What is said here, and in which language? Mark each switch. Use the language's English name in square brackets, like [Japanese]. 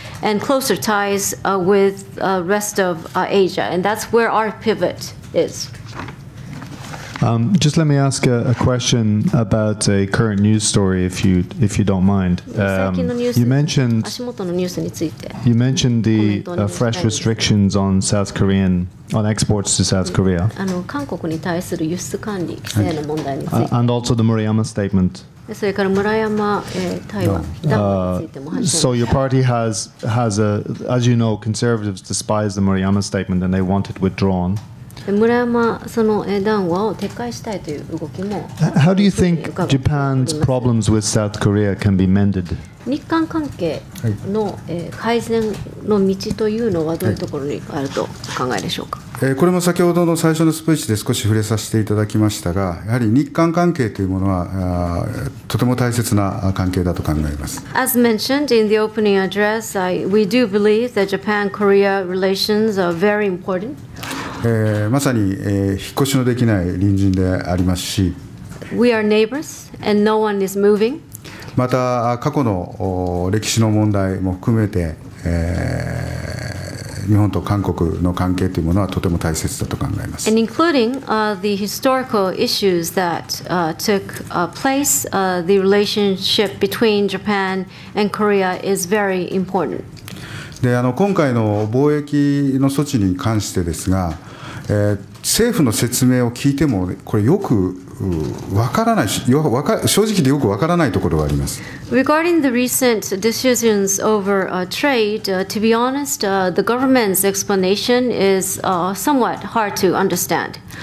[English] and closer ties with the rest of Asia, and that's where our pivot is. Just let me ask a question about a current news story, if you don't mind. You mentioned the fresh restrictions on South Korean on exports to South Korea. [Japanese] 韓国に対する輸出管理規制の問題について。 [English] And also the Murayama statement. [Japanese] それから村山対話談話についても話しています。 [English] So your party has a, as you know, conservatives despise the Murayama statement and they want it withdrawn. [Japanese] 村山その談話を撤回したいという動きも。 [English] How do you think Japan's problems with South Korea can be mended? [Japanese] 日韓関係の改善の道というのはどういうところにあるとお考えでしょうか。これも先ほどの最初のスピーチで少し触れさせていただきましたが、やはり日韓関係というものはとても大切な関係だと考えます。 [English] As mentioned in the opening address, we do believe that Japan-Korea relations are very important. [Japanese] まさに引っ越しのできない隣人でありますし、 [English] We are neighbors and no one is moving. [Japanese] また過去の歴史の問題も含めて、日本と韓国の関係というものはとても大切だと考えます。 [English] And including the historical issues that took place, the relationship between Japan and Korea is very important. [Japanese] で、今回の貿易の措置に関してですが、政府の説明を聞いてもこれよくわからない、正直でよくわからないところがあります。 [English] Regarding the recent decisions over trade, to be honest, the government's explanation is somewhat hard to understand.